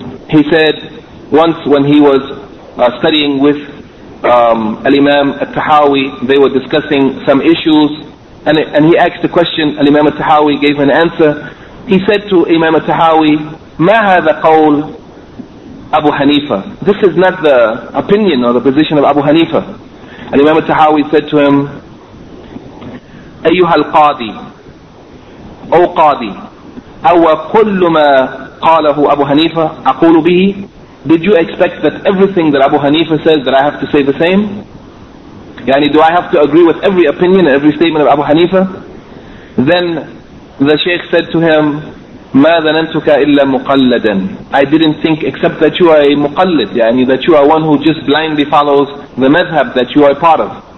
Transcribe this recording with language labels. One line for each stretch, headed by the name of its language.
English: He said once when he was studying with Al-Imam Al-Tahawi, they were discussing some issues, and he asked a question. Al-Imam Al-Tahawi gave an answer. He said to Imam Al-Tahawi,
Arabic: ما هذا قول أبو حنيفة.
English: This is not the opinion or the position of Abu Hanifa. Al-Imam Al-Tahawi said to him,
Arabic: أيها القاضي أو قاضي أو كل ما قاله أبو حنيفة أقول به.
English: Did you expect that everything that Abu Hanifa says that I have to say the same? Yani, do I have to agree with every opinion and every statement of Abu Hanifa? Then the Shaykh said to him,
Arabic: مَا ذَنَنْتُكَ إِلَّا مُقَلَّدًا.
English: I didn't think except that you are a muqallid, yani that you are one who just blindly follows the madhab that you are a part of.